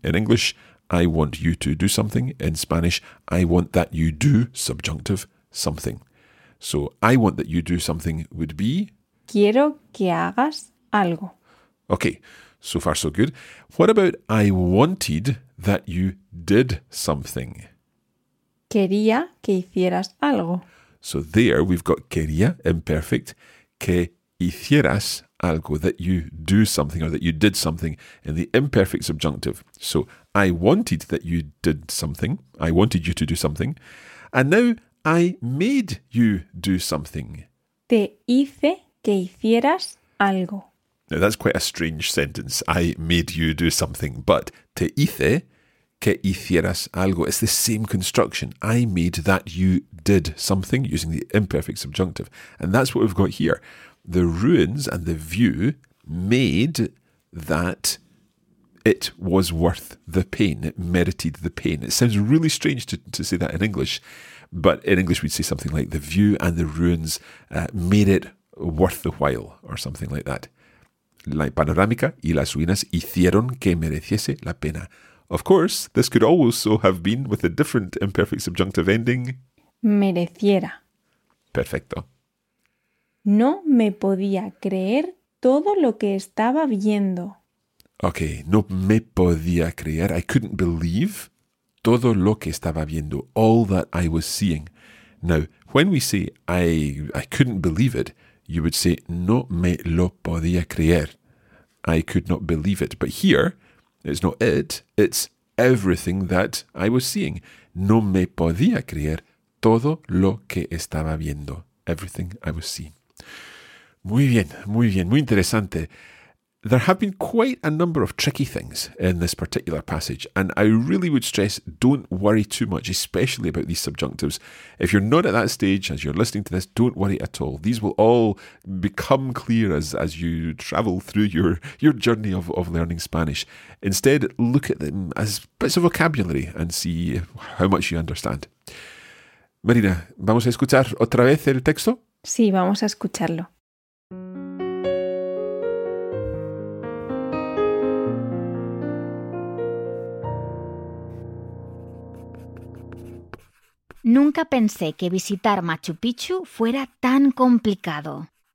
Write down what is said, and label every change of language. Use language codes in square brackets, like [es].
[en] In English, I want you to do something. In Spanish, I want that you do subjunctive something. So I want that you do something would be [es] quiero que hagas algo. [en] Okay, so far so good. What about I wanted that you did something? [es] Quería que hicieras algo. [en] So there we've got quería, imperfect, que [es] hicieras algo, [en] that you do something or that you did something in the imperfect subjunctive. So I wanted that you did something. I wanted you to do something. And now I made you do something. [es] Te hice que hicieras algo. [en] Now that's quite a strange sentence. I made you do something. But [es] te hice que hicieras algo. [en] It's the same construction. I made that you did something using the imperfect subjunctive. And that's what we've got here. The ruins and the view made that it was worth the pain. It merited the pain. It sounds really strange to say that in English. But in English, we'd say something like the view and the ruins made it worth the while or something like that. [es] La panorámica y las ruinas hicieron que mereciese la pena. [en] Of course, this could also have been with a different imperfect subjunctive ending. [es] Mereciera. Perfecto. No me podía creer todo lo que estaba viendo. [en] Okay, [es] no me podía creer. [en] I couldn't believe [es] todo lo que estaba viendo, [en] all that I was seeing. Now, when we say I couldn't believe it, you would say [es] no me lo podía creer. [en] I could not believe it. But here, it's not it, it's everything that I was seeing. [es] No me podía creer todo lo que estaba viendo. [en] Everything I was seeing. [es] Muy bien, muy bien, muy interesante. [en] There have been quite a number of tricky things in this particular passage, and I really would stress don't worry too much, especially about these subjunctives. If you're not at that stage as you're listening to this, don't worry at all. These will all become clear as you travel through your journey of learning Spanish. Instead, look at them as bits of vocabulary and see how much you understand. [es] Marina, ¿vamos a escuchar otra vez el texto? Sí, vamos a escucharlo. Nunca pensé que visitar Machu Picchu fuera tan complicado.